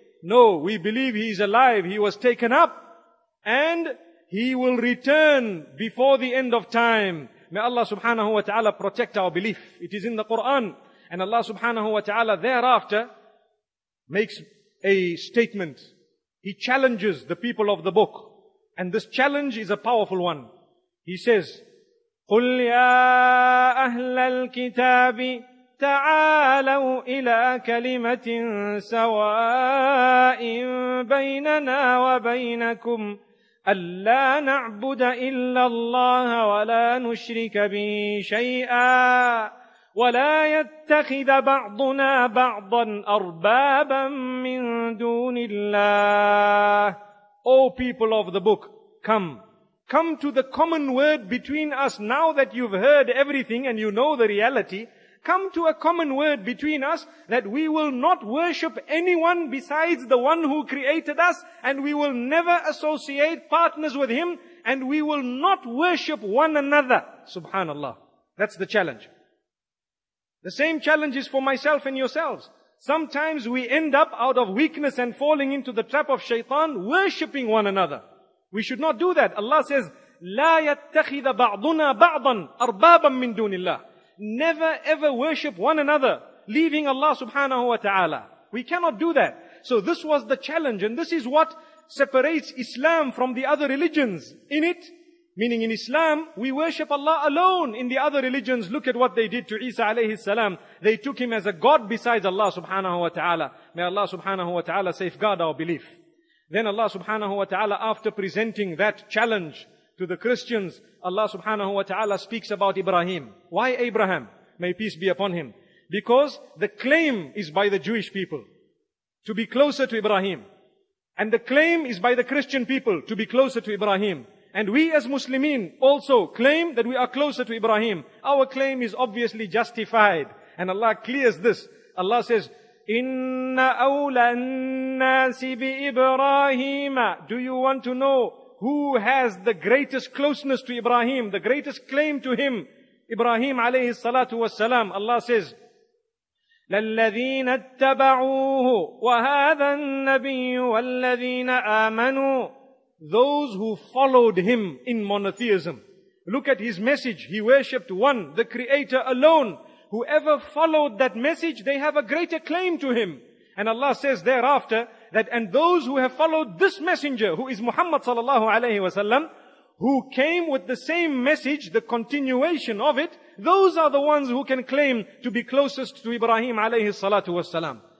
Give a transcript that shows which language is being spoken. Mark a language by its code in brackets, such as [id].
[en] No, we believe he is alive. He was taken up. And he will return before the end of time. May Allah subhanahu wa ta'ala protect our belief. It is in the Quran. And Allah subhanahu wa ta'ala thereafter makes a statement. He challenges the people of the book. And this challenge is a powerful one. He says, [ar] قُلْ يَا أَهْلَ الْكِتَابِ تعالوا إلى كلمة سواء بيننا وبينكم ألا نعبد إلا الله ولا نشرك به شيئا ولا يتخذ بعضنا بعضا أربابا من دون الله. [en] O people of the book, come to the common word between us now that you've heard everything and you know the reality. Come to a common word between us that we will not worship anyone besides the one who created us, and we will never associate partners with him, and we will not worship one another. Subhanallah. That's the challenge. The same challenge is for myself and yourselves. Sometimes we end up out of weakness and falling into the trap of shaitan worshipping one another. We should not do that. Allah says, [ar] لَا يَتَّخِذَ بَعْضُنَا بَعْضًا أَرْبَابًا مِّن دُونِ اللَّهِ. [en] Never ever worship one another, leaving Allah subhanahu wa ta'ala. We cannot do that. So this was the challenge, and this is what separates Islam from the other religions. In it, meaning in Islam, we worship Allah alone. In the other religions, look at what they did to Isa alayhi salam. They took him as a god besides Allah subhanahu wa ta'ala. May Allah subhanahu wa ta'ala safeguard our belief. Then Allah subhanahu wa ta'ala, after presenting that challenge to the Christians, Allah subhanahu wa ta'ala speaks about Ibrahim. Why Abraham? May peace be upon him. Because the claim is by the Jewish people to be closer to Ibrahim. And the claim is by the Christian people to be closer to Ibrahim. And we as Muslimin also claim that we are closer to Ibrahim. Our claim is obviously justified. And Allah clears this. Allah says, [ar] إِنَّ أَوْلَى النَّاسِ بِإِبْرَاهِيمَ. [en] Do you want to know who has the greatest closeness to Ibrahim, the greatest claim to him? Ibrahim alayhi salatu wassalam. Allah says, [ar] لَلَّذِينَ اتَّبَعُوهُ وَهَذَا النَّبِيُّ وَالَّذِينَ آمَنُوا. [en] Those who followed him in monotheism. Look at his message. He worshipped one, the Creator alone. Whoever followed that message, they have a greater claim to him. And Allah says thereafter, that and those who have followed this messenger, who is Muhammad sallallahu alayhi wa sallam, who came with the same message, the continuation of it, those are the ones who can claim to be closest to Ibrahim alayhi salatu wa sallam.